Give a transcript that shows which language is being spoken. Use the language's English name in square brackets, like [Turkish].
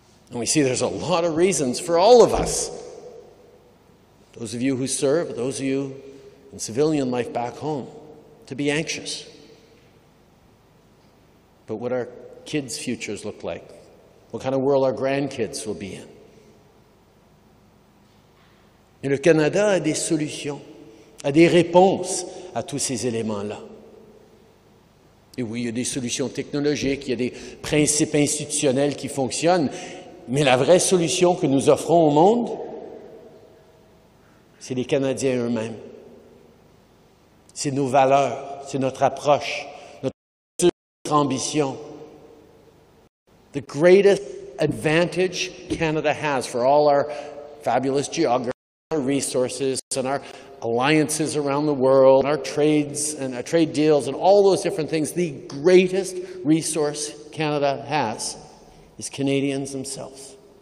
[English] And we see there's a lot of reasons for all of us, those of you who serve, those of you in civilian life back home, to be anxious. But what our kids' futures look like, what kind of world our grandkids will be in. [French] Et le Canada a des solutions, a des réponses à tous ces éléments-là. Et oui, il y a des solutions technologiques, il y a des principes institutionnels qui fonctionnent, mais la vraie solution que nous offrons au monde, c'est les Canadiens eux-mêmes. C'est nos valeurs, c'est notre approche, notre ambition. [English] The greatest advantage Canada has for all our fabulous geography, our resources, and our alliances around the world, our trades and our trade deals, and all those different things, the greatest resource Canada has is Canadians themselves.